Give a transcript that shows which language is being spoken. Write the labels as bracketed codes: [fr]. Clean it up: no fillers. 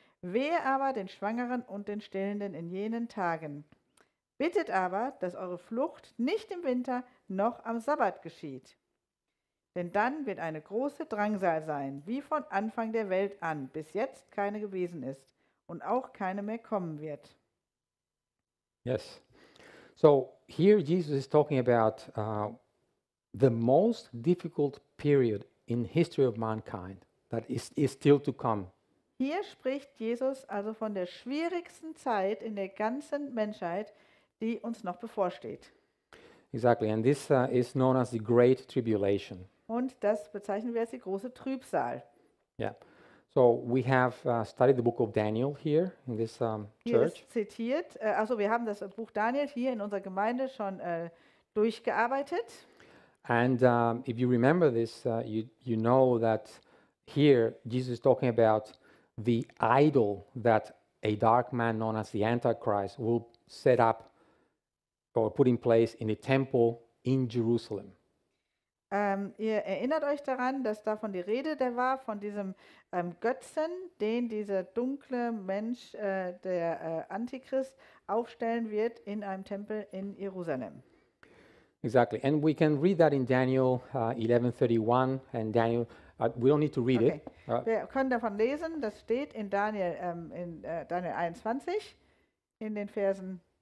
[de] Wehe aber den Schwangeren und den Stillenden in jenen Tagen. Bittet aber, dass eure Flucht nicht im Winter noch am Sabbat geschieht. Denn dann wird eine große Drangsal sein, wie von Anfang der Welt an, bis jetzt keine gewesen ist und auch keine mehr kommen wird. [en] Yes. So, here Jesus is talking about the most difficult period in history of mankind that is still to come. [de] Hier spricht Jesus also von der schwierigsten Zeit in der ganzen Menschheit, die uns noch bevorsteht. [en] Exactly, and this is known as the Great Tribulation. [de] Und das bezeichnen wir als die große Trübsal. [en] Yeah, so we have studied the book of Daniel here in this church. [de] Hier ist zitiert, also wir haben das Buch Daniel hier in unserer Gemeinde schon durchgearbeitet. [en] And if you remember this, you know that here Jesus is talking about the idol that a dark man known as the Antichrist will set up or put in place in a temple in Jerusalem. [de] Ihr erinnert euch daran, dass davon die Rede der war, von diesem Götzen, den dieser dunkle Mensch, der Antichrist, aufstellen wird in einem Tempel in Jerusalem. [en] Exactly. And we can read that in Daniel 11:31. And Daniel, we don't need to read it. [de] Wir können davon lesen, das steht in Daniel, Daniel 21, in den Versen.